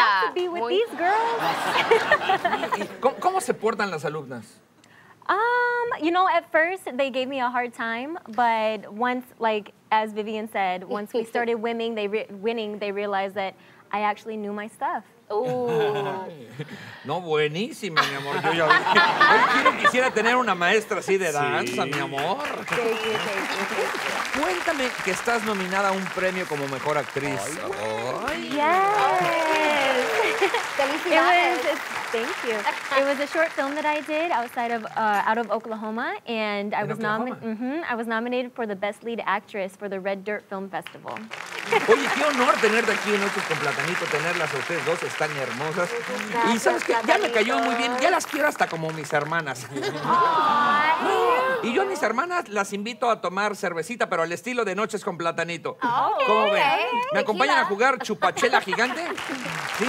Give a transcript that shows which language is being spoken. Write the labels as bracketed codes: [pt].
[en] I have to be with these girls. [es] ¿Cómo se portan las alumnas? [en] You know, at first they gave me a hard time, but once, like as Vivian said, once we started winning, they realized that I actually knew my stuff. Ooh. [es] No, buenísima, mi amor. Yo quisiera tener una maestra así de danza, mi amor. [en] Thank you. [es] Cuéntame que estás nominada a un premio como mejor actriz. [en] Ay, yes. Thank you. It was a short film that I did out of Oklahoma, and I was nominated. Mm-hmm. I was nominated for the best lead actress for the Red Dirt Film Festival. [es] Oye, qué honor tenerte aquí en Ocho con Platanito, tenerlas a ustedes dos, están hermosas. Gracias, y sabes que ya me cayó muy bien, ya las quiero hasta como mis hermanas. Oh, y yo a mis hermanas las invito a tomar cervecita, pero al estilo de Noches con Platanito. [en] Okay. [es] ¿Cómo ven? ¿Me acompañan a jugar chupachela gigante? Sí.